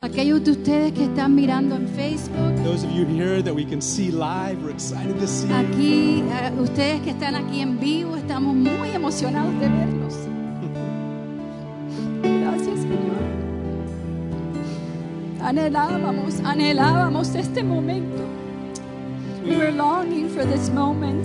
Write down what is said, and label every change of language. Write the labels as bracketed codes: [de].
[es] Aquellos de ustedes que están mirando en Facebook. [en] Those of you here that we can see live, we're excited to see. [es] Aquí, ustedes que están aquí en vivo, estamos muy emocionados de verlos. Gracias, Señor. Anhelábamos este momento. [en] We were longing for this moment.